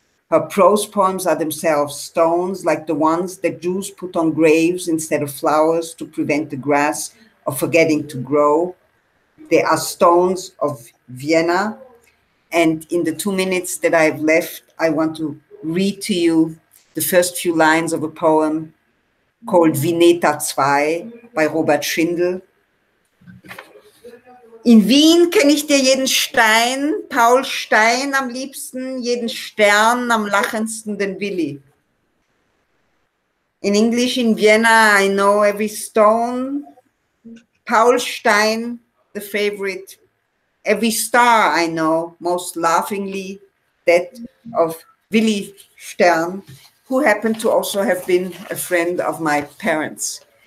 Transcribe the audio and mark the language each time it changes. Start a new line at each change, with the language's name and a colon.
English: Her prose poems are themselves stones, like the ones that Jews put on graves instead of flowers to prevent the grass of forgetting to grow. They are stones of Vienna. And in the 2 minutes that I have left, I want to read to you the first few lines of a poem called Vineta II by Robert Schindel.
German: In Wien kenne ich dir jeden Stein, Paul Stein am liebsten, jeden Stern am lachendsten, den Willi.
English: In English, in Vienna, I know every stone, Paul Stein, the favorite. Every star I know, most laughingly, that of Willi Stern, who happened to also have been a friend of my parents.